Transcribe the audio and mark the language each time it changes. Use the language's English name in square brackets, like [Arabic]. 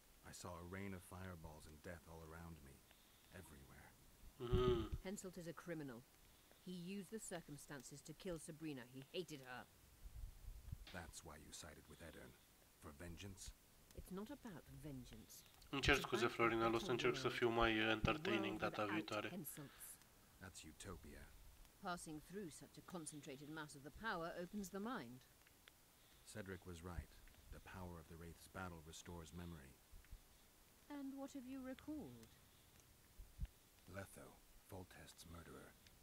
[English] I saw a rain of fireballs and death all around me, everywhere. Henselt is a criminal. He used the circumstances to kill Sabrina. He hated her. That's why you sided with Edern. For vengeance? It's not about vengeance. [Romanian] Îmi cer scuze, Florinel, o să încerc să fiu mai entertaining data viitoare. [English] That's utopia. Passing through such a concentrated mass of the power opens the mind. Cedric was right. The power of the Wraith's battle restores memory. And what have you recalled? Letho, Voltest's murderer.